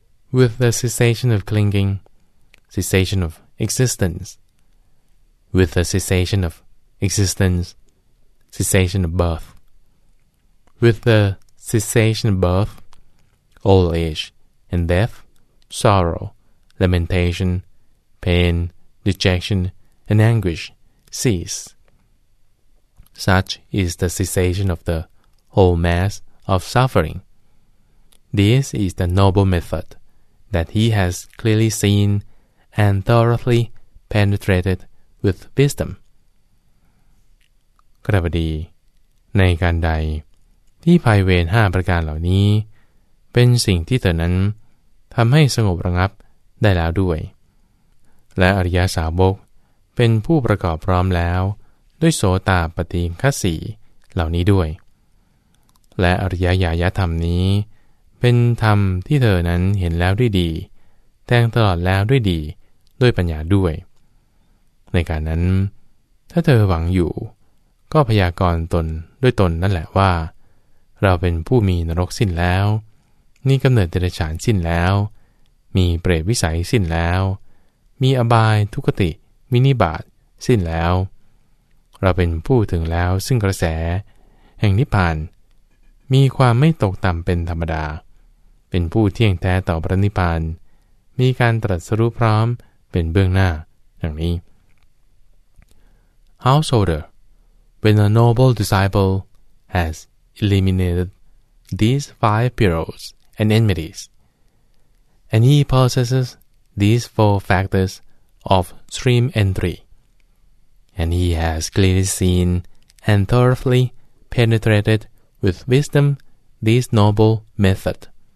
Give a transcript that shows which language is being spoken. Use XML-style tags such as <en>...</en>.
<en>with the cessation of clinging, cessation of existence, with the cessation of existence, cessation of birth, with the cessation of birth, old age and death, sorrow, lamentation, pain, dejection, and anguish cease. Such is the cessation of the whole mass of suffering. This is the noble method that he has clearly seen and thoroughly penetrated with wisdom.</en> <th>กระบดีในการใดที่ภัยเวร5ประการเหล่านี้เป็นสิ่งที่เธอนั้นทำให้สงบระงับได้แล้วด้วยและอริยสาวกเป็นผู้ประกอบพร้อมแล้วด้วยโสตาปัตติคัสสีเหล่านี้ด้วย และอริยญาณธรรมนี้เป็นธรรมที่เธอนั้นเห็นแล้วด้วยดีแทงตลอดแล้วด้วยดีด้วยปัญญาด้วยในการนั้นถ้าเธอหวังอยู่ก็พยากรณ์ตนด้วยตนนั่นแหละว่าเราเป็นผู้มีนรกสิ้นแล้วมีกำเนิดเดรัจฉานสิ้นแล้วมีเปรตวิสัยสิ้นแล้วมีอบายทุกติวินิบาตสิ้นแล้ว เราเป็นผู้ถึงแล้วซึ่งกระแสแห่งนิพพานมีความไม่ตกต่ำเป็นธรรมดาเป็นผู้เที่ยงแท้ต่อพระนิพพานมีการตรัสรู้พร้อมเป็นเบื้องหน้าอย่างนี้</th> <en>Householder, when a noble disciple has eliminated these five perils and enmities, and he possesses these four factors of stream entry, and he has clearly seen and thoroughly penetrated with wisdom this noble method,</en>